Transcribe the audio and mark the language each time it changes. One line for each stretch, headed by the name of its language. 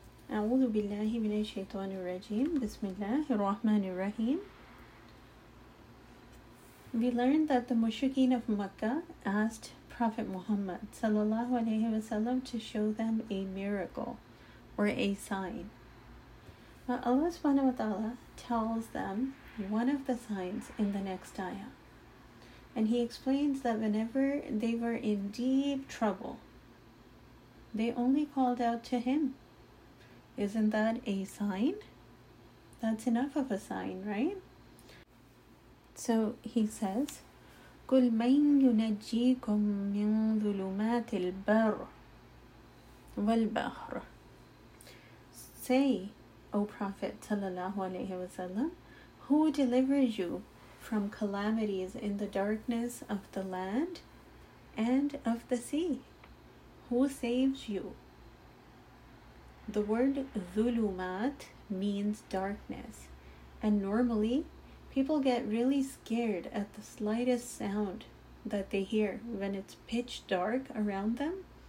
Arabic: أعوذ بالله من الشيطان الرجيم. بسم الله الرحمن الرحيم.
English: We learned that the mushrikeen of Mecca asked Prophet Muhammad sallallahu alaihi wasallam to show them a miracle or a sign. But Allah subhanahu wa ta'ala tells them one of the signs in the next ayah. And he explains that whenever they were in deep trouble, they only called out to him. Isn't that a sign? That's enough of a sign, right? So he says,
Arabic: قُلْ مَنْ يُنَجِّيكُمْ مِنْ ظُلُمَاتِ الْبَرِّ وَالْبَحْرِ.
English: Say, O Prophet sallallahu alaihi wasallam, who delivers you from calamities in the darkness of the land and of the sea? Who saves you? The word dhulumat means darkness, and normally people get really scared at the slightest sound that they hear when it's pitch dark around them.